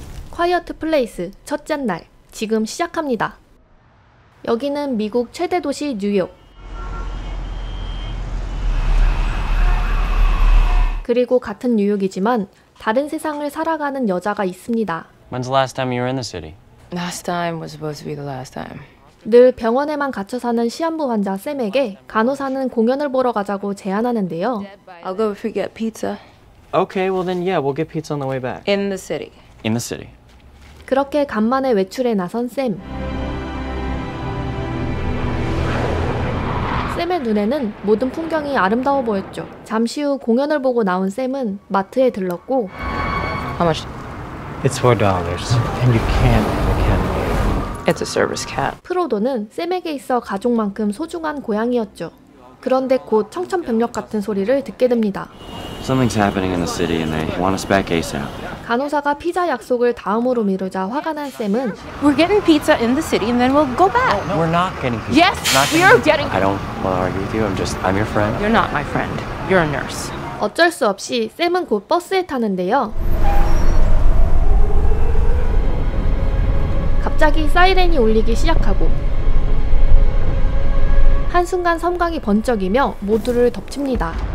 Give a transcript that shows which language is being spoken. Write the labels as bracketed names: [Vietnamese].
[Korean] 콰이어트 플레이스 첫째 날, 지금 시작합니다. 여기는 미국 최대 도시 뉴욕. 그리고 같은 뉴욕이지만 다른 세상을 살아가는 여자가 있습니다. [English] When's the last time you were in the city? Last time was supposed to be the last time. [Korean] 늘 병원에만 갇혀 사는 시한부 환자 샘에게 간호사는 공연을 보러 가자고 제안하는데요. [English] I'll go if we get pizza. Okay, well then yeah, we'll get pizza on the way back. In the city. In the city. [Korean] 그렇게 간만에 외출에 나선 샘. 샘의 눈에는 모든 풍경이 아름다워 보였죠. 잠시 후 공연을 보고 나온 샘은 마트에 들렀고 [English] How much? It's $4 and you can't have a cat. It's a service cat. [Korean] 프로도는 샘에게 있어 가족만큼 소중한 고양이였죠. 그런데 곧 청천벽력 같은 소리를 듣게 됩니다. [English] Something's happening in the city and they want us back ASAP. [Korean] 간호사가 피자 약속을 다음으로 미루자 화가 난 샘은 [English] We're getting pizza in the city and then we'll go back. No, we're not getting pizza. Yes, we are getting. I don't want to argue with you. I'm your friend. You're not my friend. You're a nurse. [Korean] 어쩔 수 없이 샘은 곧 버스에 타는데요. 갑자기 사이렌이 울리기 시작하고 한순간 섬광이 번쩍이며 모두를 덮칩니다.